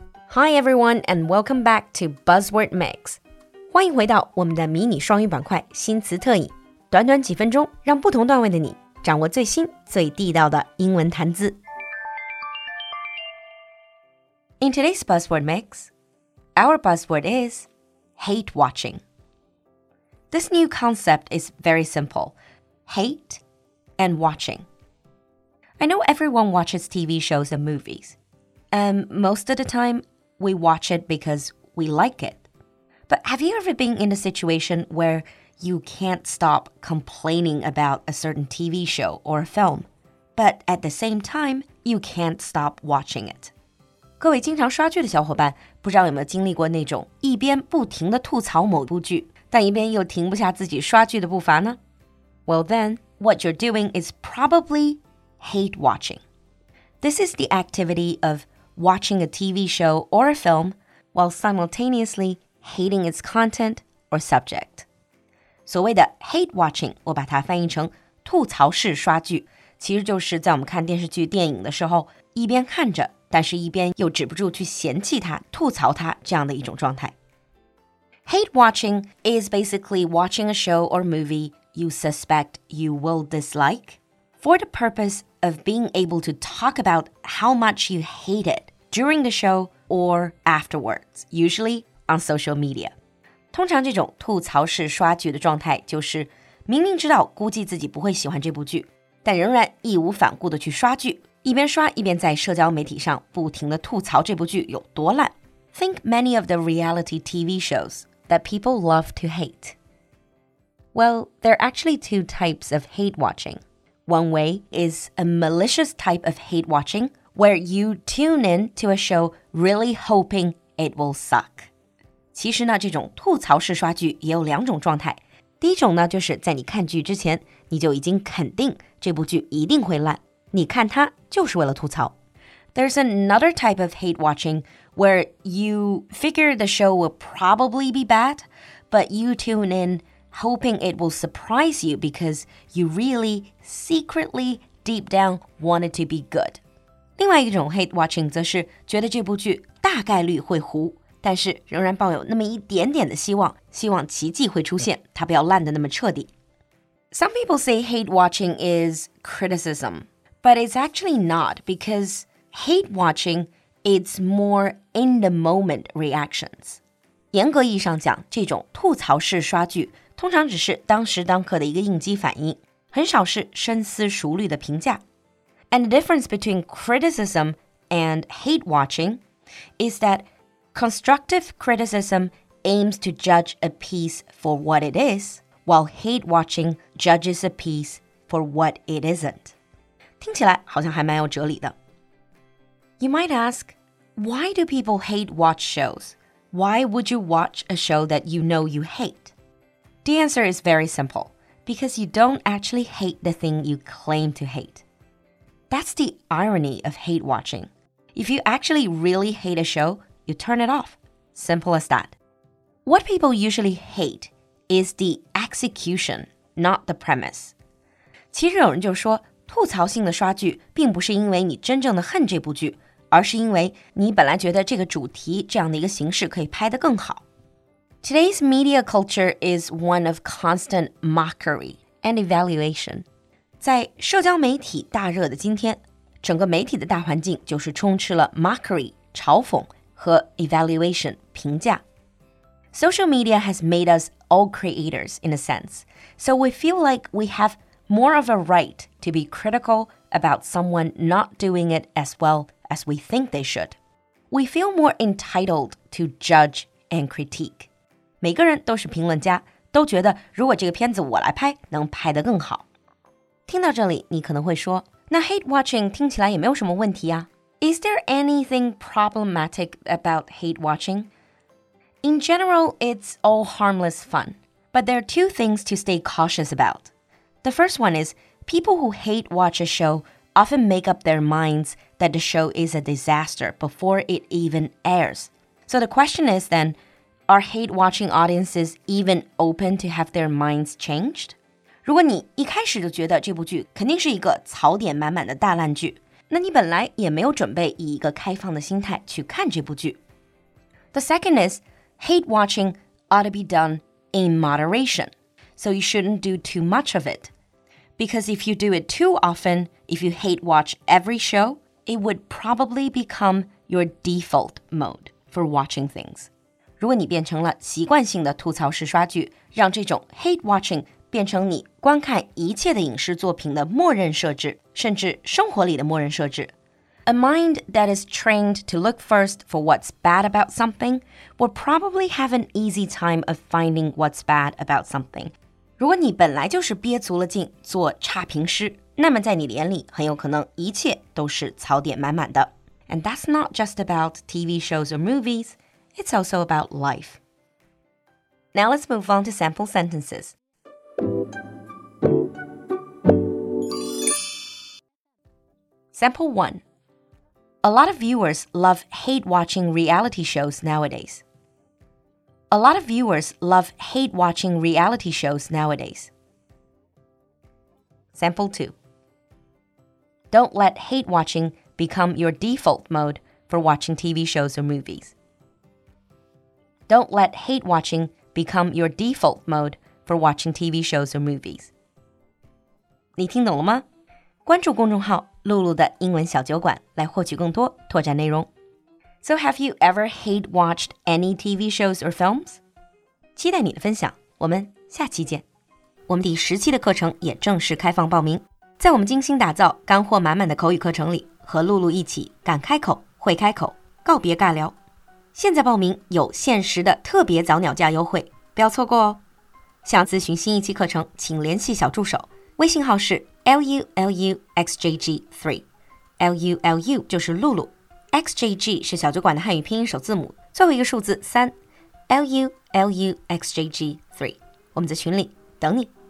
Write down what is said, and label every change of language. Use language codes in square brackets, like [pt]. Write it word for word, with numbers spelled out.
[en] Hi everyone and welcome back to Buzzword Mix. [zh] 欢迎回到我们的迷你双语板块新词特饮。短短几分钟，让不同段位的你掌握最新最地道的英文谈资。 [en] In today's Buzzword Mix, our buzzword is hate watching. This new concept is very simple. Hate and watching. I know everyone watches T V shows and movies. And most of the time,We watch it because we like it. But have you ever been in a situation where you can't stop complaining about a certain T V show or film, but at the same time, you can't stop watching it? [zh] 各位经常刷剧的小伙伴，不知道有没有经历过那种一边不停地吐槽某部剧，但一边又停不下自己刷剧的步伐呢？ [en] Well then, what you're doing is probably hate watching. This is the activity of watching a T V show or a film while simultaneously hating its content or subject. [zh] 所谓的 hate watching, 我把它翻译成吐槽式刷剧，其实就是在我们看电视剧、电影的时候，一边看着，但是一边又止不住去嫌弃它、吐槽它这样的一种状态。 [en] Hate watching is basically watching a show or movie you suspect you will dislike for the purpose of being able to talk about how much you hate it during the show or afterwards, usually on social media. [zh] 通常这种吐槽式刷剧的状态就是明明知道估计自己不会喜欢这部剧，但仍然义无反顾地去刷剧，一边刷一边在社交媒体上不停地吐槽这部剧有多烂。 [en] Think many of the reality T V shows that people love to hate. Well, there are actually two types of hate watching. One way is a malicious type of hate watching where you tune in to a show really hoping it will suck. [zh] 其实呢，这种吐槽式刷剧也有两种状态。第一种呢，就是在你看剧之前，你就已经肯定这部剧一定会烂，你看它就是为了吐槽。 [en] There's another type of hate watching where you figure the show will probably be bad, but you tune in. Hoping it will surprise you because you really, secretly, deep down, wanted to be good. [zh] 另外一种 hate watching 则是觉得这部剧大概率会糊，但是仍然抱有那么一点点的希望，希望奇迹会出现，它不要烂得那么彻底。 [en] Some people say hate watching is criticism, but it's actually not because hate watching, it's more in-the-moment reactions. [zh] 严格意义上讲，这种吐槽式刷剧通常只是当时当刻的一个应激反应，很少是深思熟虑的评价。 [en] And the difference between criticism and hate watching is that constructive criticism aims to judge a piece for what it is, while hate watching judges a piece for what it isn't. [zh] 听起来好像还蛮有哲理的。 [en] You might ask, why do people hate watch shows? Why would you watch a show that you know you hate? The answer is very simple, because you don't actually hate the thing you claim to hate. That's the irony of hate watching. If you actually really hate a show, you turn it off. Simple as that. What people usually hate is the execution, not the premise. [zh] 其实有人就说，吐槽性的刷剧并不是因为你真正的恨这部剧，而是因为你本来觉得这个主题这样的一个形式可以拍得更好。 [en] Today's media culture is one of constant mockery and evaluation. [zh] 在社交媒体大热的今天，整个媒体的大环境就是充斥了 mockery, 嘲讽和 evaluation, 评价。 [en] Social media has made us all creators in a sense, so we feel like we have more of a right to be critical about someone not doing it as well as we think they should. We feel more entitled to judge and critique. [zh] 每个人都是评论家，都觉得如果这个片子我来拍，能拍得更好。听到这里，你可能会说，那 hate watching 听起来也没有什么问题啊。 [en] Is there anything problematic about hate watching? In general, it's all harmless fun. But there are two things to stay cautious about. The first one is, people who hate watch a show often make up their minds that the show is a disaster before it even airs. So the question is then,Are hate-watching audiences even open to have their minds changed? [zh] 如果你一开始就觉得这部剧肯定是一个槽点满满的大烂剧，那你本来也没有准备以一个开放的心态去看这部剧， [en] The second is hate watching ought to be done in moderation. So you shouldn't do too much of it. Because if you do it too often, if you hate watch every show, it would probably become your default mode for watching things. [zh] 如果你变成了习惯性的吐槽式刷剧，让这种 hate watching 变成你观看一切的影视作品的默认设置，甚至生活里的默认设置。 [en] A mind that is trained to look first for what's bad about something will probably have an easy time of finding what's bad about something. [zh] 如果你本来就是憋足了劲做差评师，那么在你眼里很有可能一切都是槽点满满的。 [en] And that's not just about T V shows or movies, it's also about life. Now let's move on to sample sentences. Sample one. A lot of viewers love hate watching reality shows nowadays. A lot of viewers love hate watching reality shows nowadays. Sample two. Don't let hate watching become your default mode for watching T V shows or movies. Don't let hate watching become your default mode for watching T V shows or movies. [zh] 你听懂了吗？关注公众号露露的英文小酒馆来获取更多拓展内容。 [en] So have you ever hate watched any T V shows or films? [zh] 期待你的分享，我们下期见。我们第十期的课程也正式开放报名，在我们精心打造干货满满的口语课程里，和露露一起敢开口，会开口，告别尬聊。现在报名有限时的特别早鸟价优惠，不要错过哦。想咨询新一期课程，请联系小助手，微信号是L U L U X J G three. L U L U 就是露露， X J G 是小酒馆的汉语拼音首字母，最后一个数字三。L U L U X J G three. 我们在群里等你。